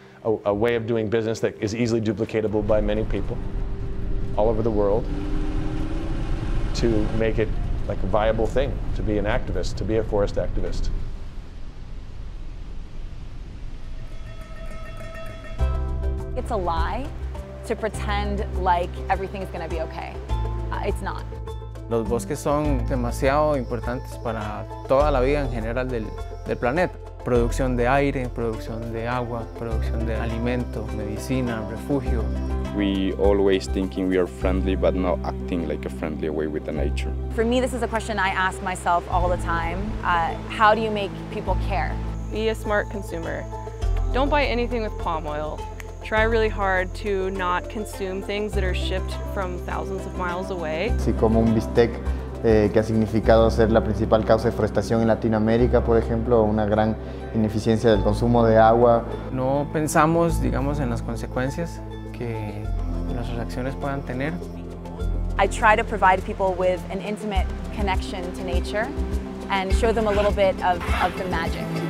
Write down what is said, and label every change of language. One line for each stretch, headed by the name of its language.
English: a way of doing business that is easily duplicatable by many people all over the world to make it like a viable thing to be an activist, to be a forest activist. It's a lie to pretend like everything's gonna be okay. It's not.
Spanish: Los bosques son demasiado importantes para toda la vida en general del planeta. Producción de aire, producción de agua, producción de alimento, medicina, refugio.
English: We always thinking we are friendly, but not acting like a friendly way with the nature. For me, this is a question I ask myself all the time. How do you make people care? Be a smart consumer. Don't buy anything with palm oil. Try really hard to not consume things that are shipped from thousands of miles away.
Spanish: Sí, como un bistec que ha significado ser la principal causa de deforestación en Latinoamérica, por ejemplo, una gran ineficiencia del consumo de agua. No pensamos, digamos, en las consecuencias que nuestras acciones puedan tener.
English: I try to provide people with an intimate connection to nature and show them a little bit of the magic.